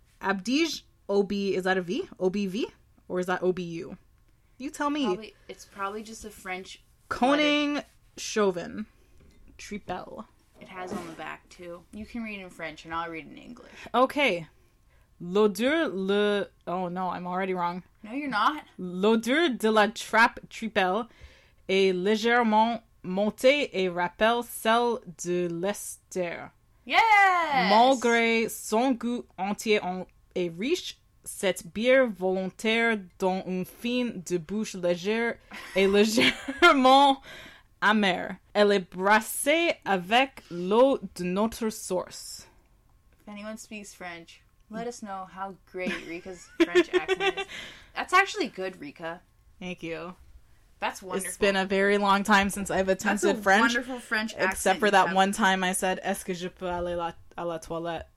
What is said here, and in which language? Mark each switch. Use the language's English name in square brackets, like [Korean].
[English] Abdige OB. Is that a V? OBV? Or is that OBU? You tell me. It's probably just a French. Koning Chauvin. Trippel. It has on the back, too. You can read in French, and I'll read in English. Okay. [French] L'odeur le... [English] Oh, no, I'm already wrong. No, you're not. [French] L'odeur de la trappe trippel est légèrement montée et rappelle celle de l'Ester. [English] Yes! [French] Malgré son goût entier et riche, cette bière volontaire dans une fine de bouche légère est légèrement amère. Elle est brassée avec l'eau de notre source. [English] If anyone speaks French, let us know how great Rika's French accent is. That's actually good, Rika. Thank you. That's wonderful. It's been a very long time since I've attempted French. That's a wonderful French accent. Except for that one time I said, [French] est-ce que je peux aller à la toilette?